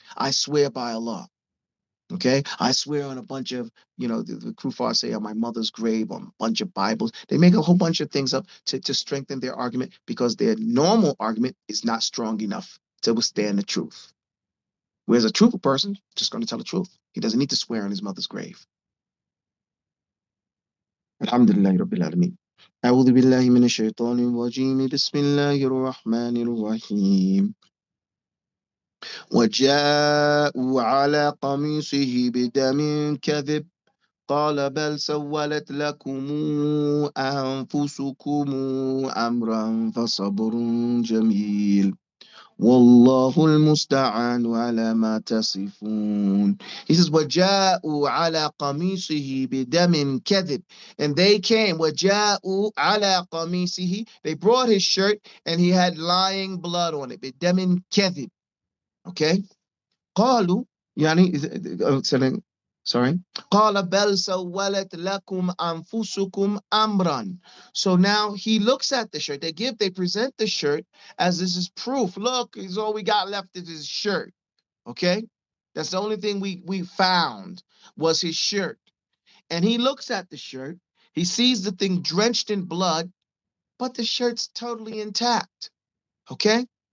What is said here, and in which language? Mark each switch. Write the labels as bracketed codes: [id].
[en] I swear by Allah. Okay? I swear on a bunch of, you know, the Kufar say on my mother's grave, on a bunch of Bibles. They make a whole bunch of things up to strengthen their argument because their normal argument is not strong enough to withstand the truth. Whereas a truthful person just going to tell the truth. He doesn't need to swear on his mother's grave. Alhamdulillah, Rabbil Alameen. [ar] أعوذ بالله من الشيطان الرجيم بسم الله الرحمن الرحيم وجاءوا على قميصه بدم كذب قال بل سولت لكم أنفسكم أمرا فصبر جميل والله المستعان على ما تصفون. [en] He says, [ar] وَجَاءُوا عَلَىٰ قَمِيصِهِ بِدَمٍ كَذِبٍ. [en] And they came, [ar] وَجَاءُوا عَلَىٰ قَمِيصِهِ. [en] They brought his shirt and he had lying blood on it. [ar] بِدَمٍ كَذِبٍ. [en] Okay? [ar] قَالُوا, يعني, [en] sorry. [ar] قَالَ بَلْ سَوَّلَتْ لَكُمْ أَنفُسُكُمْ أَمْرًا. [en] So now he looks at the shirt. They present the shirt as this is proof. Look, is all we got left is his shirt. Okay? That's the only thing we found was his shirt. And he looks at the shirt. He sees the thing drenched in blood, but the shirt's totally intact. Okay?